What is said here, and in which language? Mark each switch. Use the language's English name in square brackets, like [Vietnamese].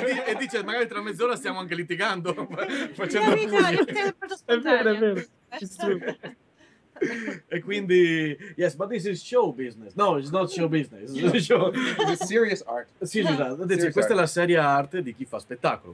[Italian] E dice, magari tra mezz'ora stiamo anche litigando. Facendo pugni. È vero, è vero. [English] It's true. [Italian] E quindi, [English] yes, but this is show business. No, it's not show business. No. It's serious art. [Italian] Sì, esatto. Questa art. È la seria arte di chi fa spettacolo.